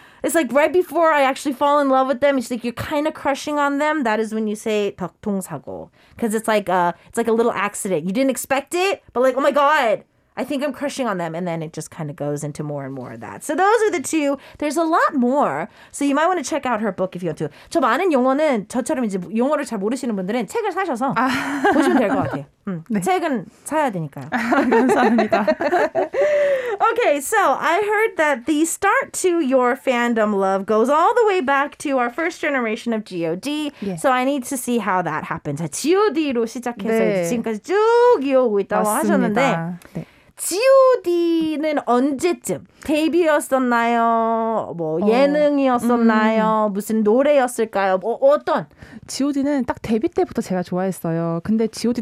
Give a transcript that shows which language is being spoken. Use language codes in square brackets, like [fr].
[en] It's like right before I actually fall in love with them, it's like you're kind of crushing on them. That is when you say 덕통사고. Because it's like a little accident. You didn't expect it, but like, oh my God, I think I'm crushing on them. And then it just kind of goes into more and more of that. So those are the two. There's a lot more. So you might want to check out her book if you want to. [ko] 저 많은 용어는 저처럼 이제 용어를 잘 모르시는 분들은 책을 사셔서 보시면 될 것 같아요. 네. 책은 사야 되니까요. 감사합니다. [en] Okay, so I heard that the start to your fandom love goes all the way back to our first generation of G.O.D. Yeah. So I need to see how that happens. [ko] G.O.D.로 시작해서 네. 지금까지 쭉 이어오고 있다고 맞습니다. 하셨는데 네. G.O.D.는 언제쯤 데뷔였었나요? 뭐 예능이었었나요? 무슨 노래였을까요? 뭐 어떤? G.O.D.는 딱 데뷔 때부터 제가 좋아했어요. 근데 G.O.D.